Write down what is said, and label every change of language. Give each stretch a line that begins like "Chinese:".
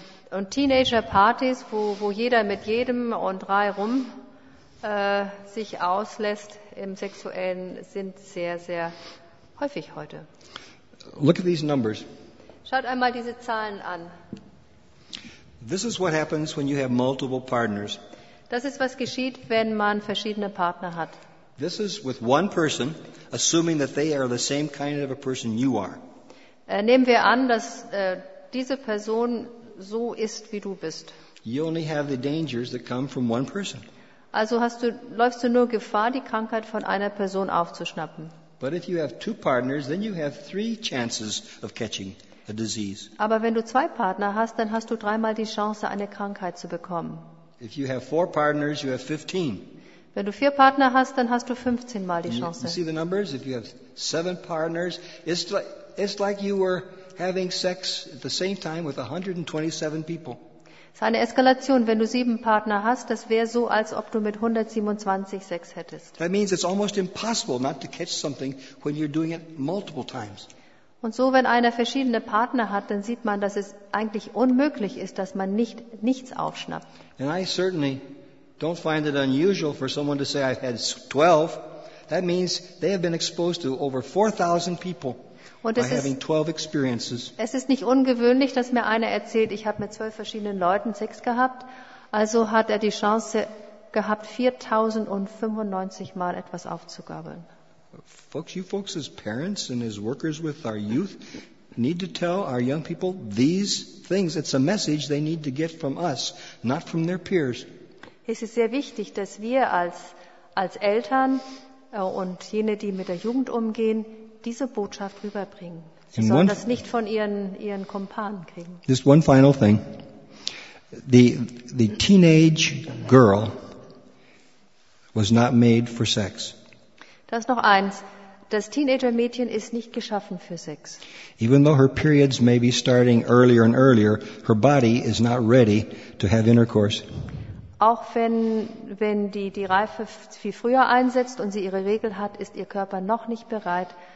German: Und teenager parties, wo jeder mit jedem und drei rum sich auslässt im Sexuellen, sind sehr, sehr häufig heute.
English: Look at these numbers.
German: Schaut einmal diese Zahlen an.
English: This is what happens when you have multiple partners.
German: Das ist, was geschieht, wenn man verschiedene Partner hat.
English: This is with one person, assuming that they are the same kind of a person you are.
German: Nehmen wir an, dass diese Person so ist, wie du bist.
English: You only have the dangers that come from one person.
German: Also läufst du nur Gefahr, die Krankheit von einer Person aufzuschnappen.
English: But if you have two partners, then you have three chances of catching a disease.
German: Aber wenn du zwei Partner hast, dann hast du dreimal die Chance, eine Krankheit zu bekommen.
English: If you have four partners, you have 15.
German: Wenn du vier Partner hast, dann hast du 15 mal die Chance.
English: You see the numbers? If you have seven partners, it's like you were having sex at the same time with 127 people.
German: Es ist eine Eskalation. Wenn du sieben Partner hast, das wäre so, als ob du mit 127 Sex hättest.
English: That means it's almost impossible not to catch something when you're doing it multiple times.
German: Und so, wenn einer verschiedene Partner hat, dann sieht man, dass es eigentlich unmöglich ist, dass man nichts aufschnappt.
English: And I certainly don't find it unusual for someone to say I've had 12. That means they have been exposed to over 4,000 people by having 12 experiences.
German: Es ist nicht ungewöhnlich, dass mir einer erzählt, ich habe mit 12 verschiedenen Leuten Sex gehabt. Also hat die Chance gehabt, 4,095 Mal etwas aufzugabeln.
English: Folks, you folks as parents and as workers with our youth need to tell our young people these things. It's a message they need to get from us, not from their peers.
German: Es ist sehr wichtig, dass wir als Eltern und jene, die mit der Jugend umgehen, diese Botschaft rüberbringen. Sie sollen das nicht von ihren Kumpanen kriegen.
English: Just one final thing. The teenage girl was not made for sex.
German: Das ist noch eins. Das Teenager-Mädchen ist nicht geschaffen für Sex.
English: Even though her periods may be starting earlier and earlier, her body is not ready to have intercourse.
German: Auch wenn die Reife viel früher einsetzt und sie ihre Regel hat, ist ihr Körper noch nicht bereit